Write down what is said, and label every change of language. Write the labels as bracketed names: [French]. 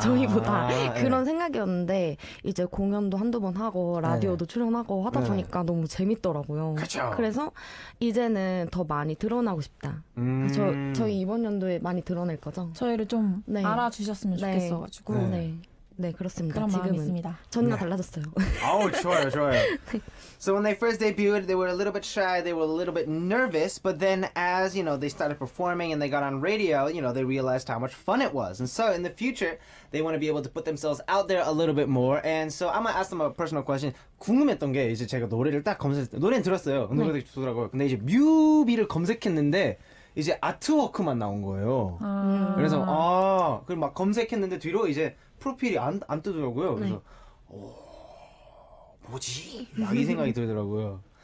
[Korean] 저희보다 아, 그런 네. 생각이었는데 이제 공연도 한두 번 하고 라디오도 네. 출연하고 하다 네. 보니까 너무 재밌더라고요. 그쵸. 그래서 이제는 더 많이 드러나고 싶다. 저희 이번 연도에 많이 드러낼 거죠? 저희를 좀 네. 알아주셨으면 좋겠어가지고. 네. 네. 네, 그렇습니다. 그런 마음이 있습니다. 전혀 네. 달라졌어요. 아우, 좋아요, 좋아요. [English] So when they first debuted, they were a little bit shy, they were a little bit nervous, but then as, you know, they started performing and they got on radio, you know, they realized how much fun it was. And so in the future, they want to be able to put themselves out there a little bit more. And so I'm going to ask them a personal question. [Korean] 궁금했던 게 이제 제가 노래를 딱 검색했을 때, 노래는 들었어요. 네. 노래가 되게 좋더라고요. 근데 이제 뮤비를 검색했는데, 이제 아트워크만 나온 거예요. 아. 그래서 아, 그리고 막 검색했는데 뒤로 이제 프로필이 안 뜨더라고요. 그래서 네. 오, 뭐지? 막 이 생각이 들더라고요.